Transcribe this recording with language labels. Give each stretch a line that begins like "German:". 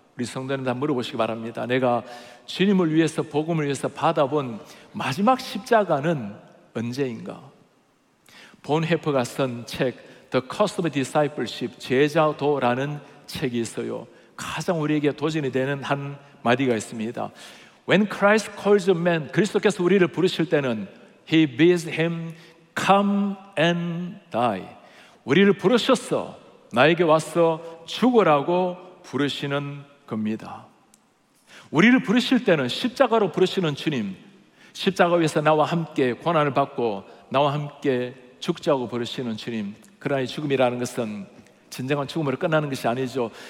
Korean: 우리 성도님들 한번 물어보시기 바랍니다. 내가 주님을 위해서 복음을 위해서 받아본 마지막 십자가는 언제인가? 본헤퍼가 쓴 책 The Cost of Discipleship, 제자도라는 책이 있어요. 가장 우리에게 도전이 되는 한 마디가 있습니다.
English: When Christ calls a man,
Korean: 그리스도께서 우리를 부르실 때는
English: He bids him come and die.
Korean: 우리를 부르셨어, 나에게 와서 죽으라고 부르시는 겁니다. 우리를 부르실 때는 십자가로 부르시는 주님, 십자가 위에서 나와 함께 고난을 받고 나와 함께 죽자고 부르시는 주님. 그러나 이 죽음이라는 것은 진정한 죽음으로 끝나는 것이 아니죠.